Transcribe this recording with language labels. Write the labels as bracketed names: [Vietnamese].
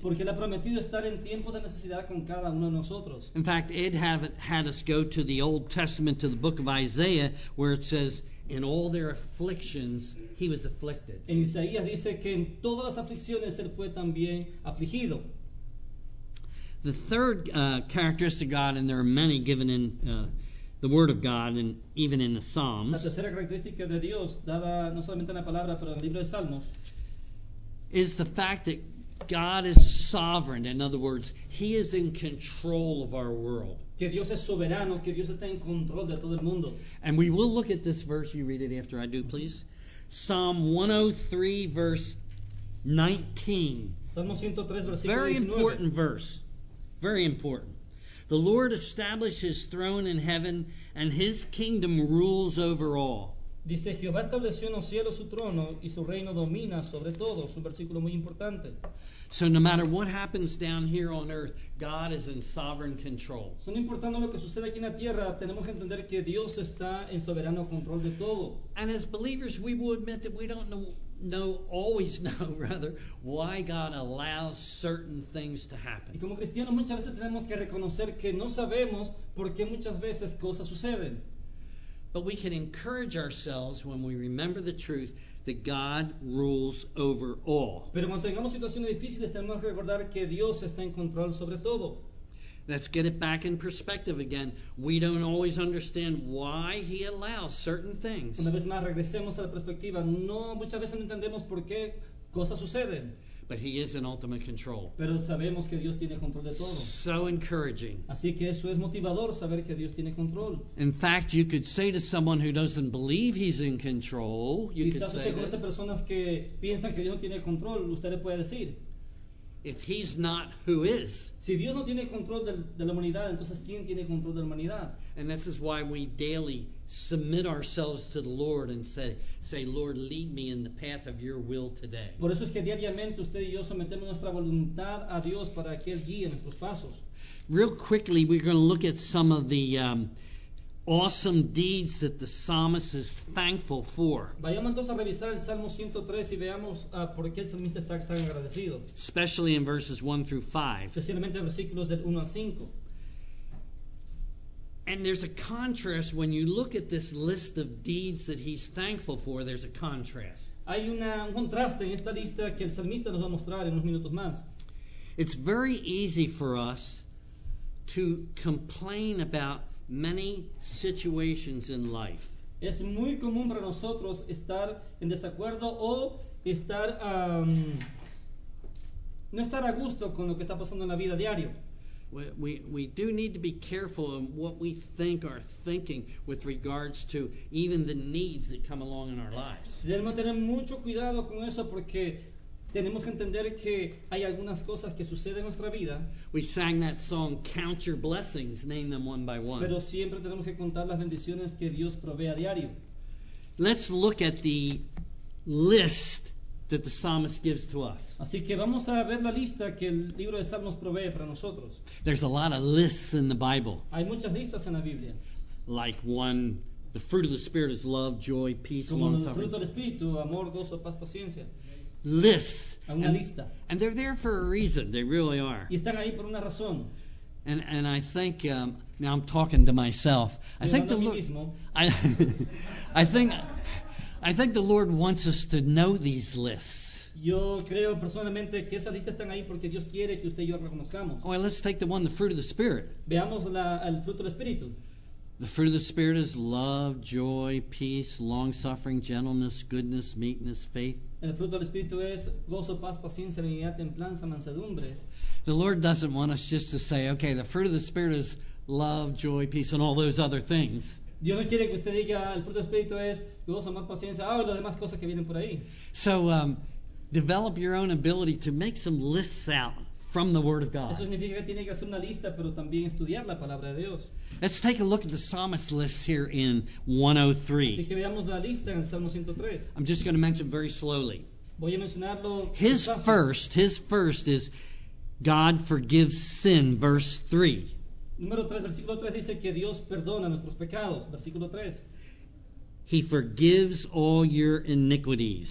[Spanish] Porque él ha prometido estar en tiempos de necesidad con cada uno de nosotros. [English] In fact, Ed had us go to the Old Testament, to the book of Isaiah, where it says, in all their afflictions, he was afflicted. [Spanish] En Isaías dice que en todas las aflicciones él fue también afligido. [English] The third characteristic of God, and there are many given in the Word of God and even in the Psalms, [Spanish] la tercera característica de Dios, dada no solamente en la palabra, pero en el libro de Salmos, [English] is the fact that God is sovereign. In other words, he is in control of our world. [Spanish] Que Dios es soberano, que Dios está en control de todo el mundo. [English] And we will look at this verse. You read it after I do, please. Psalm 103, verse 19. [Spanish] Salmo 103, versículo [English] 19. Very important verse. Very important. The Lord established his throne in heaven, and his kingdom rules over all. [Spanish] Dice, Jehová estableció en los cielos su trono, y su reino domina sobre todo. Es un versículo muy importante. [English] So no matter what happens down here on earth, God is in sovereign control. [Spanish] So no importando lo que sucede aquí en la tierra, tenemos que entender que Dios está en soberano control de todo. [English] And as believers, we will admit that we don't always know why God allows certain things to happen. [Spanish] Y como cristianos muchas veces tenemos que reconocer que no sabemos por qué muchas veces cosas suceden. [English] But we can encourage ourselves when we remember the truth that God rules over all. [Spanish] Pero cuando tengamos situaciones difíciles tenemos que recordar que Dios está en control sobre todo. [English] Let's get it back in perspective again. We don't always understand why he allows certain things. [Spanish] Una vez más, regresemos a la perspectiva. No, muchas veces no entendemos por qué cosas suceden. [English] But he is in ultimate control. [Spanish] Pero sabemos que Dios tiene control de todo. [English] So encouraging. [Spanish] Así que eso es motivador, saber que Dios tiene control. [English] In fact, you could say to someone who doesn't believe he's in control, if he's not, who is? [Spanish] Si Dios no tiene control de la humanidad, entonces ¿quién tiene control de la humanidad? [English] And this is why we daily submit ourselves to the Lord and say, Lord, lead me in the path of your will today. [Spanish] Por eso es que diariamente usted y yo sometemos nuestra voluntad a Dios para que él guíe nuestros pasos. [English] Real quickly, we're going to look at some of the awesome deeds that the psalmist is thankful for. [Spanish] Vayamos entonces a revisar el Salmo 103 y veamos por qué el salmista está tan agradecido. [English] Especially in verses 1 through 5. [Spanish] Especialmente en versículos del 1 al 5. [English] And there's a contrast when you look at this list of deeds that he's thankful for. There's a contrast. [Spanish] Hay un contraste en esta lista que el salmista nos va a mostrar en unos minutos más. [English] It's very easy for us to complain about many situations in life. [Spanish] Es muy común para nosotros estar en desacuerdo o estar no estar a gusto con lo que está pasando en la vida diaria. [English] We do need to be careful in what we think or thinking with regards to even the needs that come along in our lives. [Spanish] Debemos tener mucho cuidado con eso porque tenemos que entender que hay algunas cosas que suceden en nuestra vida. [English] We sang that song, Count Your Blessings, name them one by one. [Spanish] Pero siempre tenemos que contar las bendiciones que Dios provee a diario. [English] Let's look at the list that the psalmist gives to us. [Spanish] Así que vamos a ver la lista que el libro de Salmos provee para nosotros. [English] There's a lot of lists in the Bible. [Spanish] Hay muchas listas en la Biblia. [English] Like one, the fruit of the Spirit is love, joy, peace, [Spanish] como [English] long suffering. [Spanish] El fruto del Espíritu, amor, gozo, paz, paciencia. [English] Lists. [Spanish] Una lista. [English] And they're there for a reason. They really are. [Spanish] Y están ahí por una razón. [English] And I think now I'm talking to myself. [Spanish] Yo [English] think the Lord, [Spanish] mismo. [English] I think the Lord wants us to know these lists. [Spanish] Yo creo personalmente que esas listas están ahí porque Dios quiere que usted y yo reconozcamos. [English] Well, let's take the one, the fruit of the Spirit. [Spanish] Veamos el fruto del Espíritu. [English] The fruit of the Spirit is love, joy, peace, long-suffering, gentleness, goodness, meekness, faith. [Spanish] El fruto del Espíritu es gozo, paz, paciencia, benignidad, templanza, mansedumbre. [English] The Lord doesn't want us just to say, okay, the fruit of the Spirit is love, joy, peace, and all those other things. [Spanish] Dios no quiere que usted diga, el fruto del Espíritu es gozo, paz, paciencia, y las demás cosas que vienen por ahí. [English] So, develop your own ability to make some lists out from the Word of God. [Spanish] Eso significa que tiene que hacer una lista, pero también estudiar la Palabra de Dios. [English] Let's take a look at the psalmist list here in 103. [Spanish] Así que veamos la lista en el Salmo 103. [English] I'm just going to mention very slowly. [Spanish] Voy a mencionarlo. [English] His first is God forgives sin, verse 3. [Spanish] Número 3, versículo 3 dice que Dios perdona nuestros pecados, versículo 3. [English] He forgives all your iniquities.